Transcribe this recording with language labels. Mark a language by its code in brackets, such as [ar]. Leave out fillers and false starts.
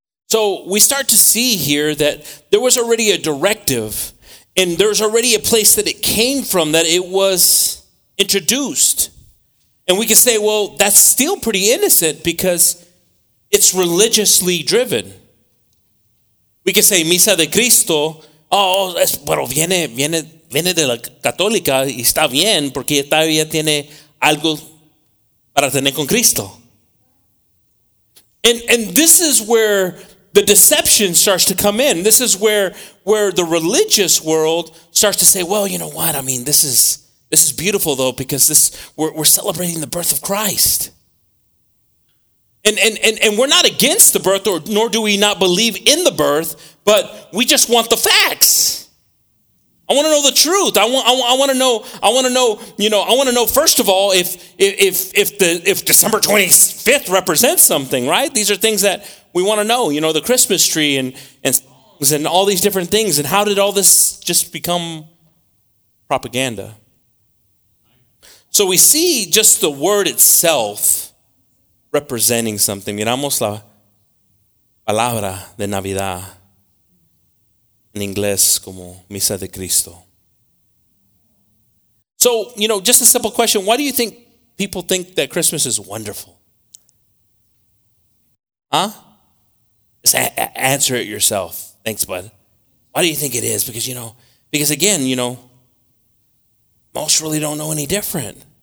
[en] So we start to see here that there was already a directive and there's already a place that it came from, that it was introduced. And we can say, well, that's still pretty innocent because it's religiously driven. We could say Misa de Cristo. [es] Oh, es, pero viene de la católica y está bien porque todavía tiene algo para tener con Cristo. [en] And this is where the deception starts to come in. This is where the religious world starts to say, well, you know what? I mean, this is beautiful though, because we're celebrating the birth of Christ. And we're not against the birth, nor do we not believe in the birth, but we just want the facts. I want to know the truth. I want to know first of all if December 25th represents something, right? These are things that we want to know, you know, the Christmas tree and all these different things, and how did all this just become propaganda? So we see just the word itself representing something. [es] Miramos la palabra de Navidad en inglés como Misa de Cristo. [en] So, you know, just a simple question. Why do you think people think that Christmas is wonderful? Huh? Just answer it yourself. Thanks, bud. Why do you think it is? Because, you know, because again, you know, most really don't know any different.